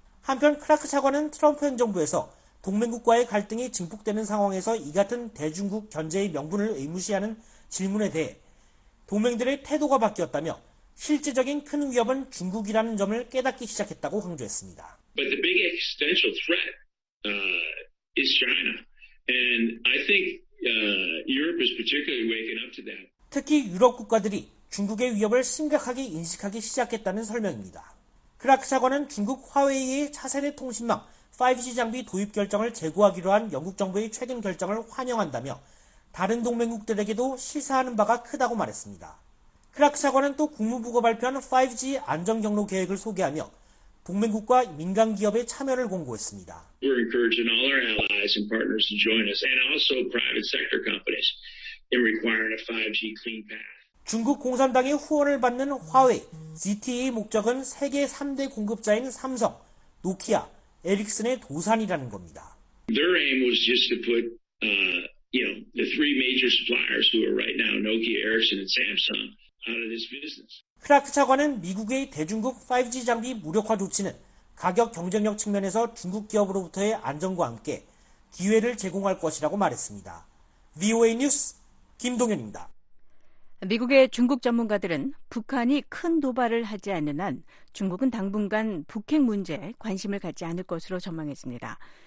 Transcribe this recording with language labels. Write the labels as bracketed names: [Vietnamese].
[Korean] 한편 크라크 차관은 트럼프 행정부에서 동맹국과의 갈등이 증폭되는 상황에서 이 같은 대중국 견제의 명분을 의무시하는 질문에 대해 동맹들의 태도가 바뀌었다며 실제적인 큰 위협은 중국이라는 점을 깨닫기 시작했다고 강조했습니다. [English] But the big existential threat is China. And I think Europe is particularly waking up to that. [Korean] 특히 유럽 국가들이 중국의 위협을 심각하게 인식하기 시작했다는 설명입니다. 크라크 차관은 중국 화웨이의 차세대 통신망 5G 장비 도입 결정을 재고하기로 한 영국 정부의 최근 결정을 환영한다며 다른 동맹국들에게도 시사하는 바가 크다고 말했습니다. 크라크 차관은 또 국무부가 발표한 5G 안전 경로 계획을 소개하며 동맹국과 민간 기업의 참여를 공고했습니다. [English] We're encouraging all our allies and partners to join us and also private sector companies in requiring a 5G clean path. [Korean] 중국 공산당의 후원을 받는 화웨이, ZTE의 목적은 세계 3대 공급자인 삼성, 노키아, 에릭슨의 도산이라는 겁니다. [English] Their aim was just to put the three major suppliers who are right now Nokia, Ericsson and Samsung out of this business. [Korean] 크라크 차관은 미국의 대중국 5G 장비 무력화 조치는 가격 경쟁력 측면에서 중국 기업으로부터의 안정과 함께 기회를 제공할 것이라고 말했습니다. VOA 뉴스 김동현입니다. 미국의 중국 전문가들은 북한이 큰 도발을 하지 않는 한 중국은 당분간 북핵 문제에 관심을 갖지 않을 것으로 전망했습니다.